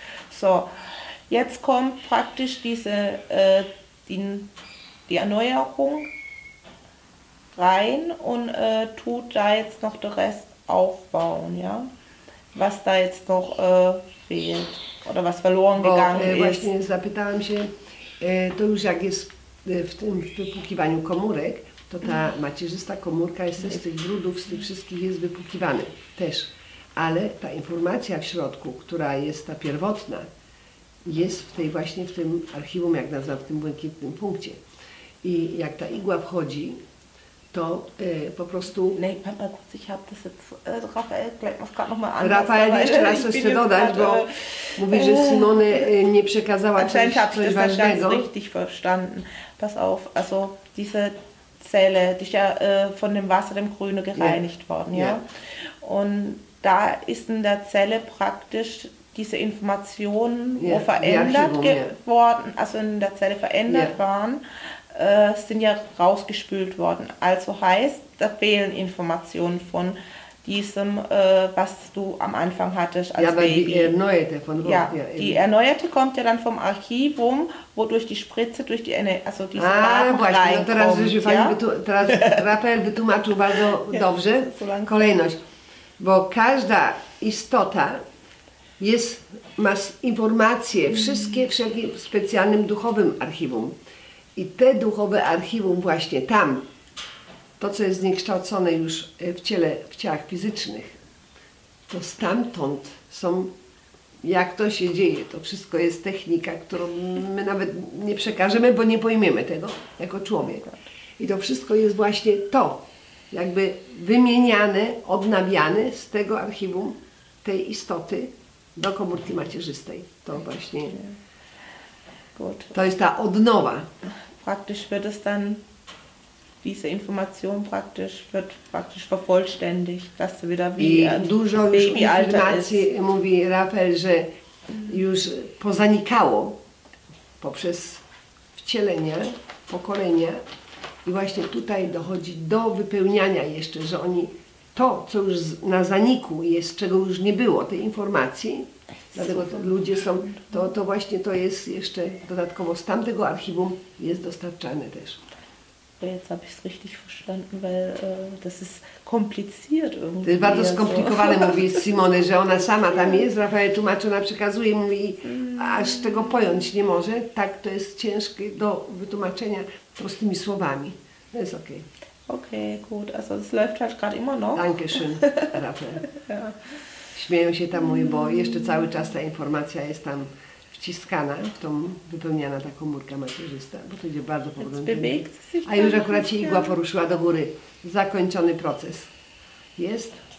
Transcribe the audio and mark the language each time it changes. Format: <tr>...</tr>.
<de>So, jetzt kommt praktisch diese, die Erneuerung rein und tut da jetzt noch den Rest aufbauen, ja. Was da jetzt noch fehlt oder was verloren gegangen ist.</de> <pl>Właśnie zapytałam się, to już jak jest w tym wypłukiwaniu komórek, to ta macierzysta komórka jest też z tych brudów, z tych wszystkich jest wypłukiwany też. Ale ta informacja w środku, która jest ta pierwotna, jest w tej właśnie w tym archiwum, jak nazwa, w tym błękitnym punkcie. I jak ta igła wchodzi, to po prostu...</pl> <de>Nee, Papa, ich hab das jetzt... Raphael, bleib mal gerade nochmal an.</de> <pl>Raphael, jeszcze raz coś chcę dodać, bo mówi, że Simone nie przekazała coś ważnego.</pl> <de>Ich hab das richtig verstanden. Pass auf, also diese Zelle, die ist ja von dem Wasser, dem Grüne, gereinigt worden, ja? Und da ist in der Zelle praktisch diese Informationen, wo verändert geworden, also in der Zelle verändert waren, sind ja rausgespült worden. Also heißt, da fehlen Informationen von diesem, was du am Anfang hattest als Baby. Ja, aber die erneuerte von Ja, die erneuerte kommt ja dann vom Archivum, wodurch die Spritze durch die also diese Daten reinkommt.</de> <pl>Teraz, teraz Raphael wytłumaczył bardzo dobrze kolejność, bo każda istota jest, ma informacje, wszystkie wszelkie w specjalnym duchowym archiwum. I te duchowe archiwum właśnie tam, to co jest zniekształcone już w ciele, w ciałach fizycznych, to stamtąd są, jak to się dzieje, to wszystko jest technika, którą my nawet nie przekażemy, bo nie pojmiemy tego jako człowiek. I to wszystko jest właśnie to, jakby wymieniane, odnawiane z tego archiwum tej istoty do komórki macierzystej. To właśnie to jest ta odnowa.</pl> <de>Praktisch wird es dann, diese Information praktisch, wird praktisch vervollständigt, dass sie wieder wie dużo Babyalter ist.</de> <pl>Mówi Raphael, że już pozanikało poprzez wcielenie, pokolenie i właśnie tutaj dochodzi do wypełniania jeszcze, że oni to, co już na zaniku jest, czego już nie było, tej informacji, dlatego to ludzie są, to właśnie to jest jeszcze dodatkowo z tamtego archiwum jest dostarczane też.</pl> <de>Jetzt habe ich es richtig verstanden, weil das ist kompliziert irgendwie.</de> <pl>To jest bardzo skomplikowane, mówi Simone, że ona sama tam jest, Raphael tłumaczy, ona przekazuje, mówi, aż tego pojąć nie może, tak to jest ciężkie do wytłumaczenia prostymi słowami. To jest okej.</pl> <de>Okej, gut, also es läuft halt gerade immer noch. Dankeschön, Raphael.</de> <pl>Śmieją się tam, mówię, bo jeszcze cały czas ta informacja jest tam wciskana, w tą wypełniana ta komórka macierzysta, bo to idzie bardzo powolno. A już akurat się igła poruszyła do góry. Zakończony proces. Jest?</pl>